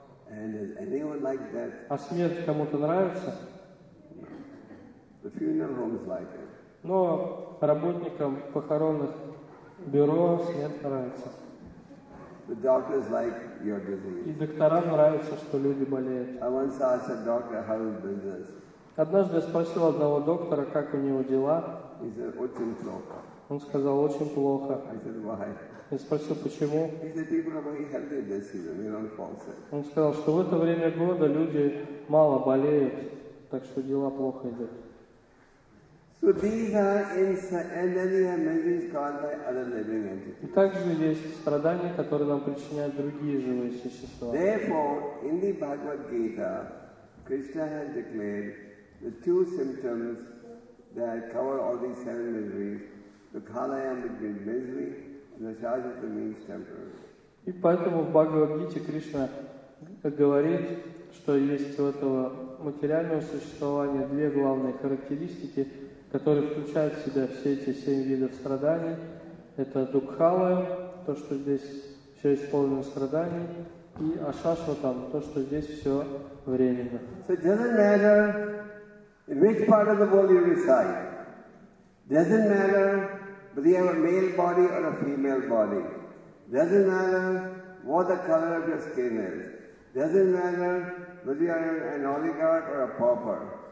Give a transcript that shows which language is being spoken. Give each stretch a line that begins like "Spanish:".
English: And does anyone like death?
Russian: А смерть кому-то нравится?
English: No. The funeral homes like it.
Russian: Но работникам похоронных бюро смерть нравится.
English: The doctors like your disease.
Russian: И докторам нравится, что люди болеют.
English: I once asked a doctor how his business.
Russian: Однажды я спросил одного доктора, как у него дела.
English: He said,
Russian: очень плохо. Он сказал, очень плохо.
English: I said, why?
Russian: Я спросил, почему.
English: He said, people are very healthy this season. They don't fall sick.
Russian: Он сказал, что в это время года люди мало болеют, так что дела плохо идут.
English: So these are inside, and then we have miseries caused by other living entities.
Russian: Также есть страдания, которые нам причиняют другие живые существа.
English: Therefore, in the Bhagavad Gita, Krishna has declared the two symptoms that cover all these seven miseries: the kalayam, which means misery, and the shashvata, means temporary.
Russian: И поэтому в Бхагавад Гите Кришна говорит, что есть у этого материального существования две главные характеристики, который включает в себя все эти семь видов страданий. Это Дукхалая, то, что здесь все исполнено страданий, и Ашашватам, то, что здесь все временно.
English: So it doesn't matter in which part of the world you reside. Doesn't matter whether you have a male body or a female body. Doesn't matter what the color of your skin is. Doesn't matter whether you are an oligarch or a pauper.